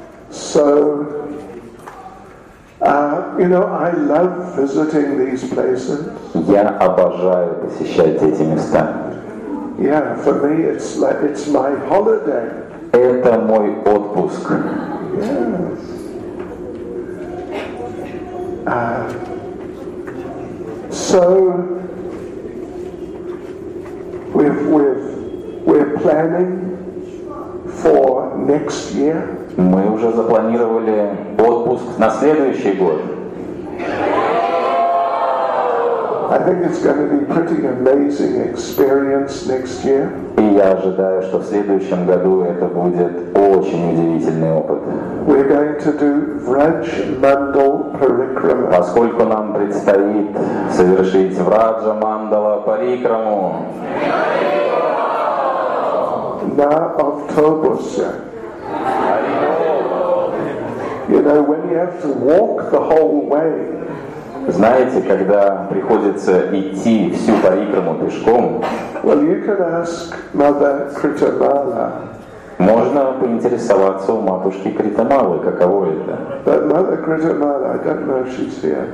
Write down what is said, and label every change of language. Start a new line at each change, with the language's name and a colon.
English: So, you know, I love visiting these places.
Russian: Я обожаю посещать эти места.
English: Yeah, for me it's like it's my holiday.
Russian: Это мой отпуск.
English: Yes. So we're planning for next year.
Russian: Мы уже запланировали отпуск на следующий год.
English: I think it's going to be a pretty amazing experience next year.
Russian: И я ожидаю, что в следующем году это будет очень удивительный опыт.
English: We're going to do Vrajmandal Parikrama.
Russian: Поскольку нам предстоит совершить Vrajmandala Parikrama. На автобусе.
English: You know, when you have to walk the whole way,
Russian: Знаете, когда приходится идти всю Парикраму пешком,
English: well, you can ask Mother Kritamala,
Russian: можно поинтересоваться у матушки Критамалы, каково это.
English: But Mother Kritamala, I don't know if she's here.